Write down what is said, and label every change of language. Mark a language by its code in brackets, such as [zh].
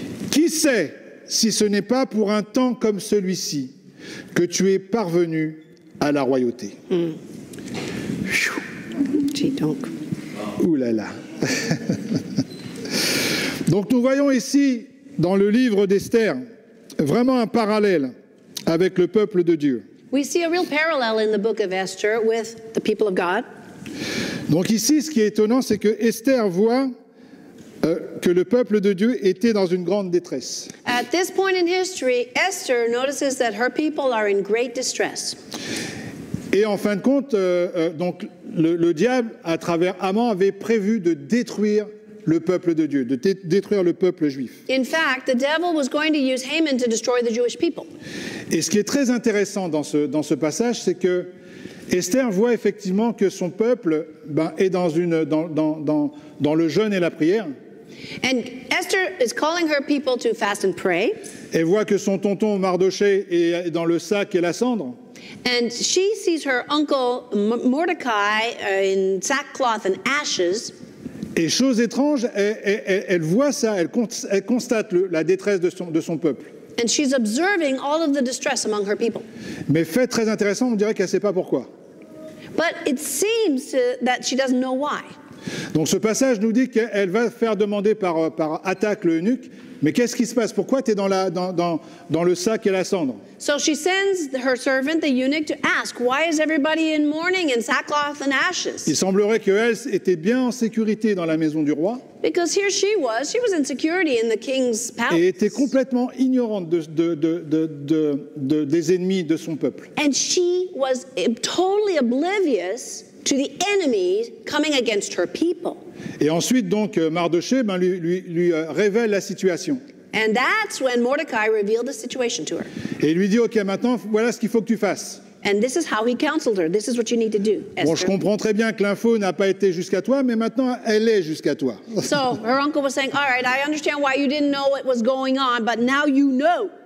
[fr] Qui sait si ce n'est pas pour un temps comme celui-ci que tu es parvenu à la royauté. » Ouh là là. Donc nous voyons ici, dans le livre d'Esther, vraiment un parallèle avec le peuple de Dieu. [en] We see a real parallel in the book of Esther with the people of God. [fr] Donc ici, ce qui est étonnant, c'est que Esther voit que le peuple de Dieu était dans une grande détresse. [en] At this point in history, Esther notices that her people are in great distress. [fr] Et en fin de compte, donc le diable, à travers Aman, avait prévu de détruire le peuple de Dieu, de détruire le peuple juif. [en] In fact, the devil was going to use Haman to destroy the Jewish people. [fr] Et ce qui est très intéressant dans ce passage, c'est que Esther voit effectivement que son peuple est dans le jeûne et la prière. [en] And Esther is calling her people to fast and pray. [fr] Elle voit que son tonton Mardoché est dans le sac et la cendre. [en] And she sees her uncle Mordecai in sackcloth and ashes. [fr] Et chose étrange, elle voit ça, elle constate la détresse de son peuple. [en] And she's observing all of the distress among her people. [fr] Mais fait très intéressant, on dirait qu'elle ne sait pas pourquoi. [en] But it seems that she doesn't know why. [fr] Donc ce passage nous dit qu'elle va faire demander par Hatak le eunuque Mais qu'est-ce qui se passe? Pourquoi tu es dans le sac et la cendre? [en] So she sends her servant, the eunuch, to ask, why is everybody in mourning in sackcloth and ashes? [fr] Il semblerait qu'elle était bien en sécurité dans la maison du roi. [en] Because here she was in security in the king's palace. [fr] Et était complètement ignorante des ennemis de son peuple. [en] And she was totally oblivious to the enemies coming against her people. [fr] Et ensuite, donc, Mardoché lui révèle la situation. [en] And that's when Mordecai revealed the situation to her. [fr] Et il lui dit, OK, maintenant, voilà ce qu'il faut que tu fasses. [en] And this is how he counseled her. This is what you need to do, Esther. [fr] Bon, je comprends très bien que l'info n'a pas été jusqu'à toi, mais maintenant, elle est jusqu'à toi. [en] So, her uncle was saying, all right, I understand why you didn't know what was going on, but now you know.